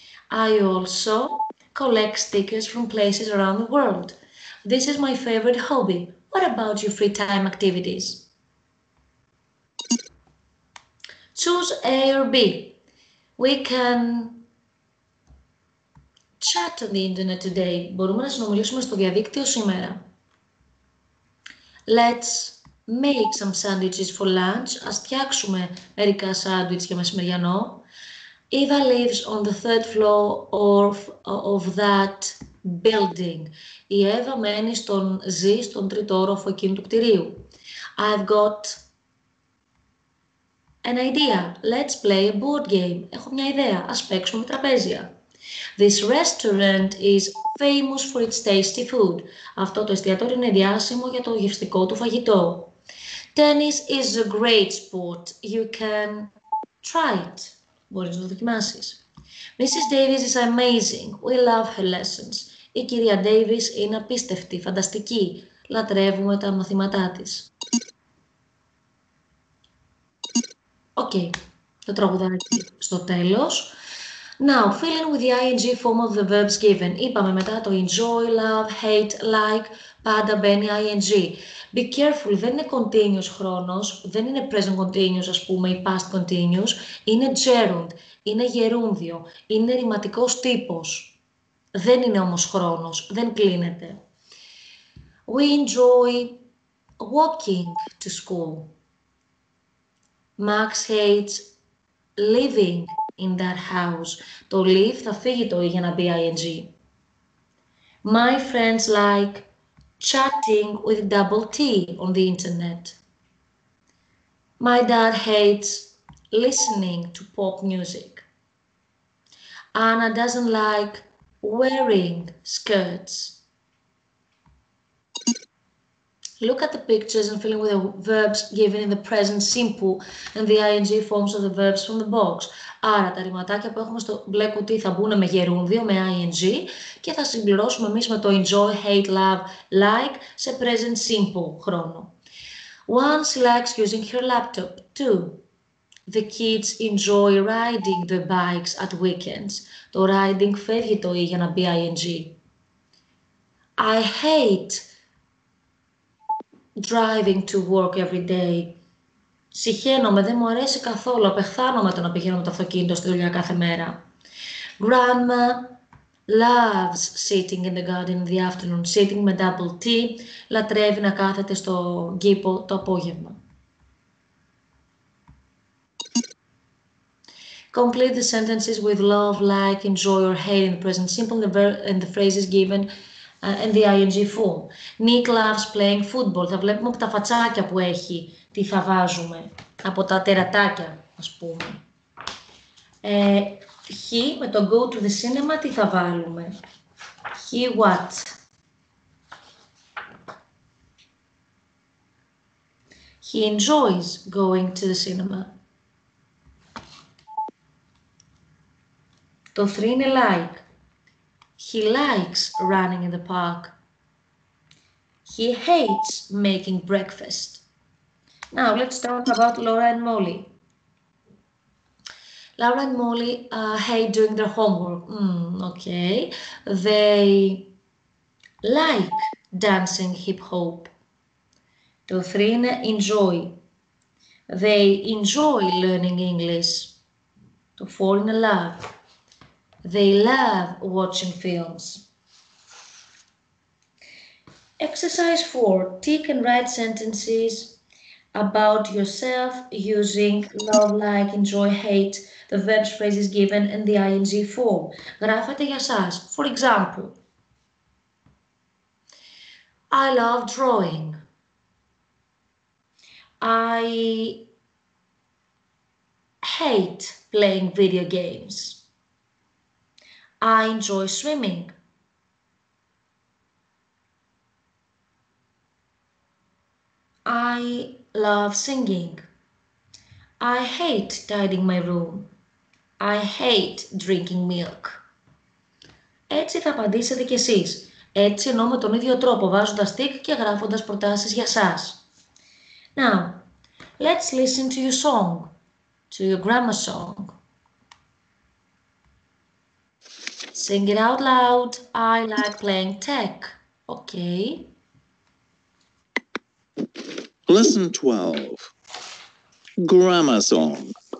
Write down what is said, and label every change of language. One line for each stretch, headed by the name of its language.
English: I also collect stickers from places around the world. This is my favorite hobby, What about your free time activities? Choose A or B. We can chat on the internet today.
Greek: Μπορούμε να συνομιλήσουμε στο διαδίκτυο σήμερα.
English: Let's make some sandwiches for lunch.
Greek: Ας φτιάξουμε μερικά sandwich για μεσημεριανό.
English: Eva lives on the third floor of that building.
Greek: Η Εύα μένει στον ζει στον τρίτο όροφο εκείνου του κτηρίου.
English: I've got an idea. Let's play a board game.
Greek: Έχω μια ιδέα. Ας παίξουμε τραπέζια.
English: This restaurant is famous for its tasty food.
Greek: Αυτό το εστιατόριο είναι διάσημο για το γευστικό του φαγητό.
English: Tennis is a great sport. You can try it.
Greek: Μπορείς να το δοκιμάσεις.
English: Mrs. Davis is amazing. We love her lessons.
Greek: Η κυρία Davis είναι απίστευτη, φανταστική. Λατρεύουμε τα μαθήματά της. Okay. Το τραγουδάκι στο τέλος.
English: Now, fill in with the ing form of the verbs given.
Greek: Είπαμε μετά το enjoy, love, hate, like, πάντα μπαίνει ing.
English: Be careful,
Greek: δεν είναι continuous χρόνος, δεν είναι present continuous, ας πούμε, ή past continuous. Είναι gerund, είναι γερούνδιο, είναι ρηματικός τύπος. Δεν είναι όμως χρόνος, δεν κλείνεται.
English: We enjoy walking to school. Max hates living in that house. Το leave θα φύγει το για να μπει ing. My friends like chatting with double T on the internet. My dad hates listening to pop music. Anna doesn't like wearing skirts. Look at the pictures and fill in with the verbs given in the present simple and the ing forms of the verbs from the box.
Greek: Άρα τα ρηματάκια που έχουμε στο μπλε κουτί θα μπουν με γερούνδιο, με ing και θα συμπληρώσουμε εμείς με το enjoy, hate, love, like σε present simple χρόνο.
English: One, she likes using her laptop. Two, the kids enjoy riding their bikes at weekends.
Greek: Το riding φεύγει το e για να μπει ing.
English: I hate driving to work every day.
Greek: Συχαίνομαι, δεν μου αρέσει καθόλου, απεχθάνομαι το να πηγαίνω με το αυτοκίνητο στη δουλειά κάθε μέρα.
English: Grandma loves sitting in the garden in the afternoon, sitting
Greek: με double T, λατρεύει να κάθεται στο κήπο το απόγευμα.
English: Complete the sentences with love, like, enjoy or hate in the present simple and the phrases given and the ing form. Nick loves playing football.
Greek: Θα βλέπουμε από τα φατσάκια που έχει τι θα βάζουμε από τα τερατάκια, ας πούμε.
English: He,
Greek: με το
English: go to the cinema,
Greek: τι θα βάλουμε.
English: He what. He enjoys going to the cinema.
Greek: Το 3 είναι like.
English: He likes running in the park. He hates making breakfast. Now, let's talk about Laura and Molly. Laura and Molly hate doing their homework. Okay. They like dancing hip-hop.
Greek: Το 3 είναι enjoy.
English: They enjoy learning English.
Greek: Το 4 είναι love.
English: They love watching films. Exercise 4. Tick and write sentences about yourself using love, like, enjoy, hate, the verbs, phrases given, and the ing form.
Greek: Γράφετε για σας.
English: For example, I love drawing. I hate playing video games. I enjoy swimming. I love singing. I hate tidying my room. I hate drinking milk.
Greek: Έτσι θα απαντήσετε κι εσείς. Έτσι εννοώ με τον ίδιο τρόπο, βάζοντας τικ και γράφοντας προτάσεις για σας.
English: Now, let's listen to your song, to your grammar song. Sing it out loud. I like playing tech. Okay. Lesson 12. Grammar song.